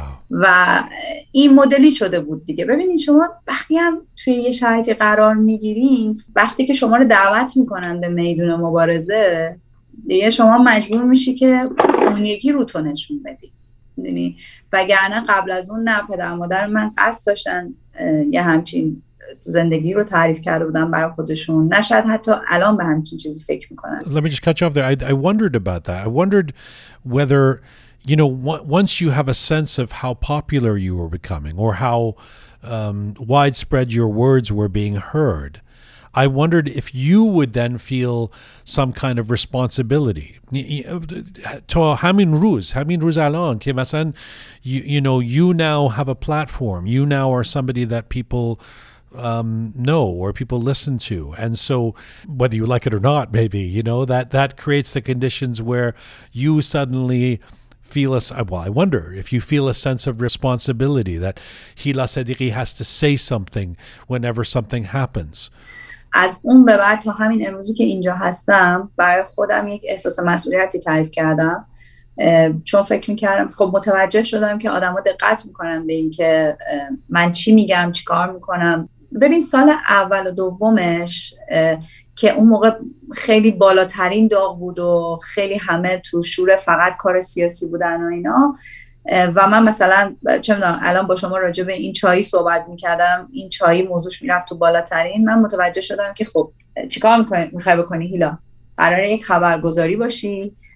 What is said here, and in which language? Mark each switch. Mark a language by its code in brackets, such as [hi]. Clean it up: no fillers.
[fa] و این مدلی شده بود دیگه. ببینین، شما وقتی هم توی یه شرایطی قرار میگیرین، وقتی که شما رو دعوت میکنن به میدون مبارزه دیگه، شما مجبور میشی که اون یکی رو تو نشون بدی، میدونی؟ وگرنه قبل از اون نه، پدر مادر من قصد داشتن یه همچین زندگی رو تعریف کرده بودن برای خودشون، نشد حتی الان به همچین چیزی فکر میکنن. [en] Let me just cut you off there. I wondered about that. I wondered whether, you know, once you have a sense of how popular you were becoming or how widespread your words were being heard, I wondered if you would then feel some kind of responsibility. To [fa] همین روز الان که مثلا [en] you know, you now have a platform, you now are somebody that people know or people listen to. And so whether you like it or not, maybe, you know, that creates the conditions where you suddenly feel I wonder if you feel a sense of responsibility that Hila Sadiqi has to say something whenever something happens. [fa] از اون به بعد تا همین امروزی که اینجا هستم برای خودم یک احساس مسئولیتی تعریف کردم چون فکر میکردم خب متوجه شدم که آدم ها دقت میکنن به این که من چی میگم چی کار میکنم. ببین سال اول و دومش که اون موقع خیلی بالاترین داغ بود و خیلی همه تو شور فقط کار سیاسی بودن و اینا و من مثلا چه میدونم الان با شما راجع به این چایی صحبت میکردم این چایی موضوعش میرفت تو بالاترین من متوجه شدم که خب چیکار میخوای بکنی هیلا؟ قراره یک خبرگزاری باشی